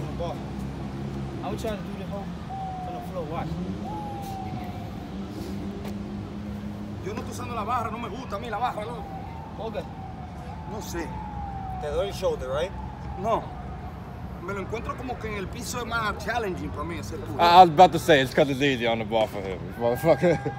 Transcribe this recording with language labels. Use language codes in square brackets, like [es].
[en] I would try to do the whole kind of flow. Watch. [es] Yo no estoy usando la barra. No me gusta a mí la barra, no. [en] Okay. [es] No sé. Te doy el [en] shoulder, right? [es] No. Me lo encuentro como que en el piso es más challenging para mí hacer pull-ups. [en] I was about to say, it's because it's easy on the bar for him, motherfucker.